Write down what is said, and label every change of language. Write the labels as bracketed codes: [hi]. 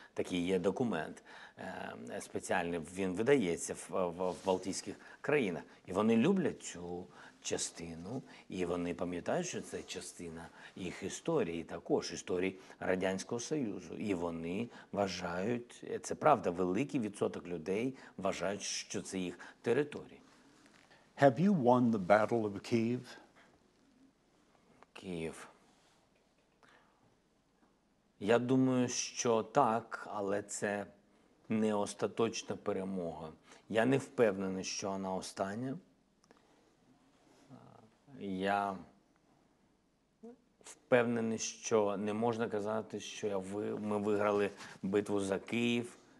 [uk] Такий є документ спеціальний, він видається в Балтійських країнах. І вони люблять цю частину, і вони пам'ятають, що це частина їх історії, також історії Радянського Союзу. І вони вважають, це правда, великий відсоток людей вважають, що це їх території. [en] Have you won the battle of Kyiv? [uk] Київ. Я думаю, що так, але це не остаточна перемога. Я не впевнений, що вона остання. Я впевнений, що не можна казати, що ми виграли битву за Київ.